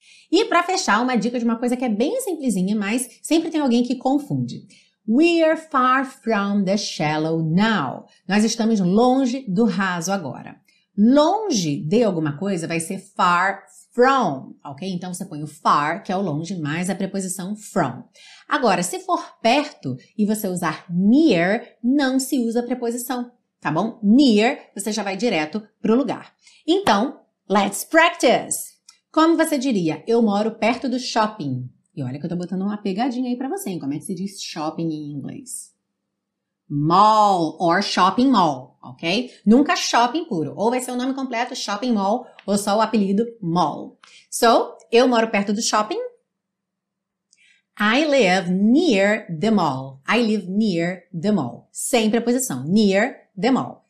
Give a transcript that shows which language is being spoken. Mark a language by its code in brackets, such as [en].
[pt] E para fechar, uma dica de uma coisa que é bem simplesinha, mas sempre tem alguém que confunde. [en] We're far from the shallow now. [pt] Nós estamos longe do raso agora. Longe de alguma coisa vai ser far from, ok? Então você põe o far, que é o longe, mais a preposição from. Agora, se for perto e você usar near, não se usa a preposição, tá bom? Near, você já vai direto pro lugar. Então, [en] let's practice! [pt] Como você diria, eu moro perto do shopping? E olha que eu tô botando uma pegadinha aí pra você, hein? Como é que se diz shopping em inglês? [en] Mall or shopping mall, ok? [pt] Nunca shopping puro. Ou vai ser o nome completo, shopping mall, ou só o apelido mall. So, eu moro perto do shopping. [en] I live near the mall. I live near the mall. [pt] Sem preposição, [en] near the mall.